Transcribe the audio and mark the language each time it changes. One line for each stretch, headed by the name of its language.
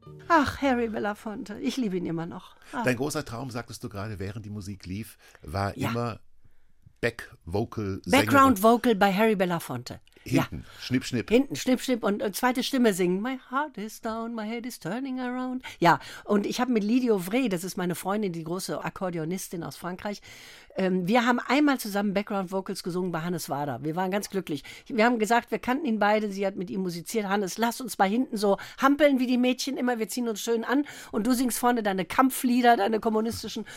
German: Ach, Harry Belafonte, ich liebe ihn immer noch. Ach. Dein großer Traum, sagtest du gerade, während die Musik lief, war immer Back-Vocal-Sänger. Background-Vocal bei Harry Belafonte. Hinten, schnipp, schnipp. Hinten, schnipp, schnipp und zweite Stimme singen.
English: My heart is down, my head is turning around.
German: Ja, und ich habe mit Lydie Ouvray, das ist meine Freundin, die große Akkordeonistin aus Frankreich, wir haben einmal zusammen Background-Vocals gesungen bei Hannes Wader. Wir waren ganz glücklich. Wir haben gesagt, wir kannten ihn beide, sie hat mit ihm musiziert. Hannes, lass uns mal hinten so hampeln wie die Mädchen immer. Wir ziehen uns schön an und du singst vorne deine Kampflieder, deine kommunistischen.